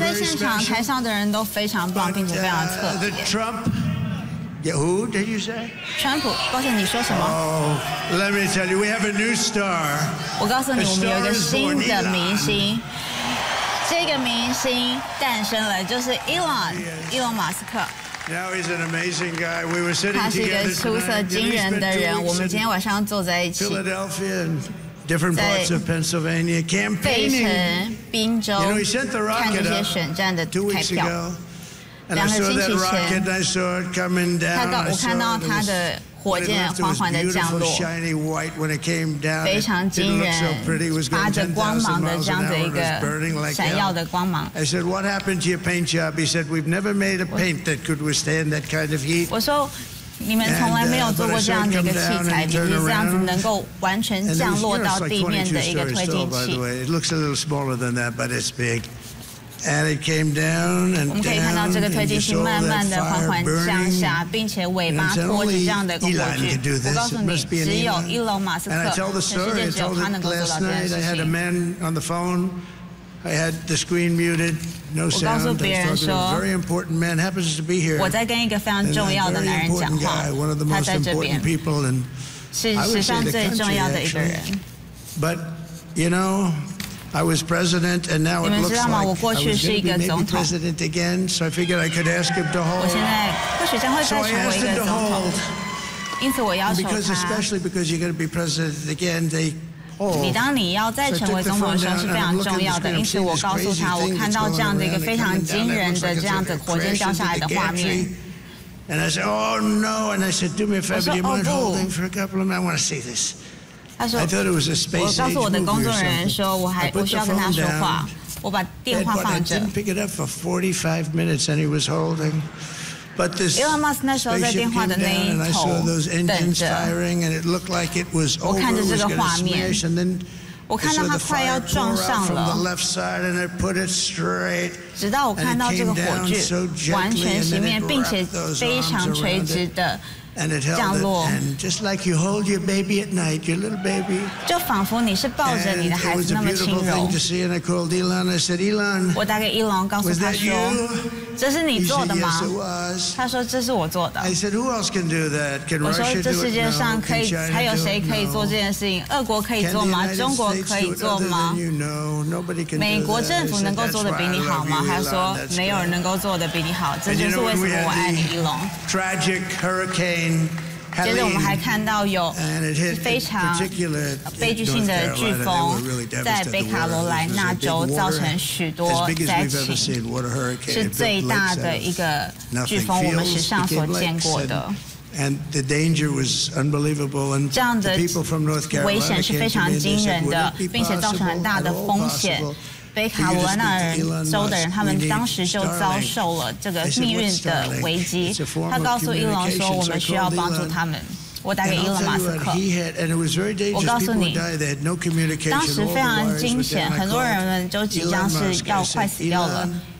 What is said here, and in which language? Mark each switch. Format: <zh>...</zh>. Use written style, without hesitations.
<zh>所有在现场台上的人都非常棒，并且非常特别。</zh> <en>The Trump, yeah, who did you say?</en> <zh>川普，抱歉，你说什么？</zh> <en>Oh, let me tell you, we have a new star.</en> <zh>我告诉你，我们有一个新的明星。这个明星诞生了，就是伊隆马斯克。</zh> <en>Now he's an amazing guy. We were sitting together.</en> <zh>他是一个出色惊人的人。我们今天晚上坐在一起。</zh> <en>Philadelphia. Different parts of Pennsylvania campaigning.</en> <zh>费城、宾州。</zh> <en>You know, he sent the rocket up</en> <zh>看这些选战的开票。</zh> <en>Two weeks ago, and I saw that rocket. I saw it coming down.</en> <zh>我看到他的火箭缓缓的降落。</zh> <en>Shiny white when it came down.</en> <zh>非常惊人。</zh> <en>It didn't look so pretty. It was going 10,000 miles an hour. Shining like hell. I said, "What happened to your paint job?" He said, "We've never made a paint that could withstand that kind of heat."</en> <zh>我说你们从来没有做过这样的一个器材，你是这样子能够完全降落到地面的一个推进器。</zh> <en>It looks a little smaller than that, but it's big. And it came down and down.</en> <zh>我们可以看到这个推进器慢慢的缓缓降下，并且尾巴拖着这样的一个火炬。我告诉你，只有伊隆马斯克，全世界只有他能够做到这件事情。</zh> <en>I had a man on the phone. I had the screen muted, no sound. I was talking to a very important man, happens to be here.</en> <zh>我在跟一个非常重要的男人讲话。</zh> <en>One of the most important people in the country. But you know, I was president, and now it looks like I was going to be president again. So I figured I could ask him to hold.</en> <zh>我现在或许将会再成为一个总统。因此我要求他。</zh> <en>Because especially because you're going to be president again, they.</en> <zh>你当你要再成为总统的时候是非常重要的，因此我告诉他，我看到这样的一个非常惊人的这样子火箭掉下来的画面。</zh> <en>And I said, "Oh no!" And I said, "Do me a favor, you mind holding for a couple of minutes? I want to see this."</en> <zh>他说，我告诉我的工作人员说，我需要跟他说话。我把电话放着。</zh> <en>I didn't pick it up for 45 minutes, and he was holding. But this spaceship came down, and I saw those engines firing, and it looked like it was over, it was going to smash. And then I saw the fire pour out from the left side, and it put it straight. And it came down so gently, and then it wrapped those arms around it. And it held it. And just like you hold your baby at night, your little baby.</en> <zh>就仿佛你是抱着你的孩子那么轻柔。</zh> <en>It was a beautiful thing to see, and I called Elon. I said, Elon.</en> <zh>我打给伊隆，告诉他说。</zh> <en>Was that you?</en> <zh>这是你做的吗？</zh> <en>He said, yes, it was.</en> <zh>他说这是我做的。</zh> <en>I said, who else can do that? Can Russia do it?</en> <zh>我说这世界上可以，还有谁可以做这件事情？俄国可以做吗？中国可以做吗？美国政府能够做的比你好吗？他说没有人能够做的比你好。这就是为什么我爱你，伊隆。</zh> <en>Tragic hurricane.</en> <zh>接着我们还看到有非常悲剧性的飓风在北卡罗来纳州造成许多灾情，是最大的一个飓风我们史上所见过的。</zh> <en>And the danger was unbelievable, and the people from North Carolina came to me and said, "Would it be possible?" Possible.</en> <zh>北卡罗来纳州的人，他们当时就遭受了这个命运的危机。他告诉伊隆说：“我们需要帮助他们。” 我打给伊隆马斯克。我告诉你，当时非常惊险，很多人们都即将是要快死掉了。</zh>